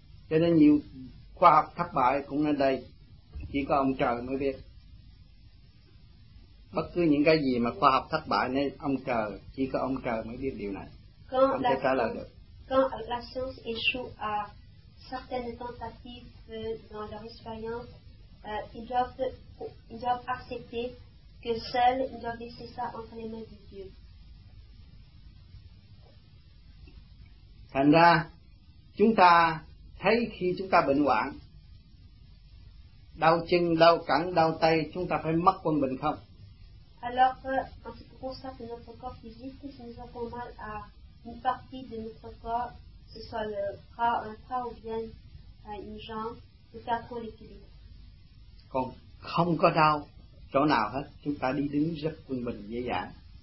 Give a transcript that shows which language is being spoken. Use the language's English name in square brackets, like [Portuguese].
[Vietnamese] Cho nên nhiều khoa học thất bại cũng ở đây, chỉ có ông trời mới biết. Bất cứ những cái gì mà khoa học thất bại nên ông trời, chỉ có ông trời mới biết điều này. Ông sẽ trả lời được. [French] Quand la science échoue à certaines tentatives dans leur expérience, ils doivent accepter que seuls ils doivent laisser ça entre les mains de Dieu. [Vietnamese] Thành ra, chúng ta thấy khi chúng ta bệnh hoạn, đau chân, đau cẳng, đau tay, chúng ta phải mất quân bình không? [French] Alors, quand on constate notre corps physique, si nous avons mal à une partie de notre corps, que ce soit le bras, un bras ou bien une jambe, nous perdons l'équilibre. [Vietnamese] Còn không có đau chỗ nào hết, chúng ta đi đứng rất quân bình, dễ dàng.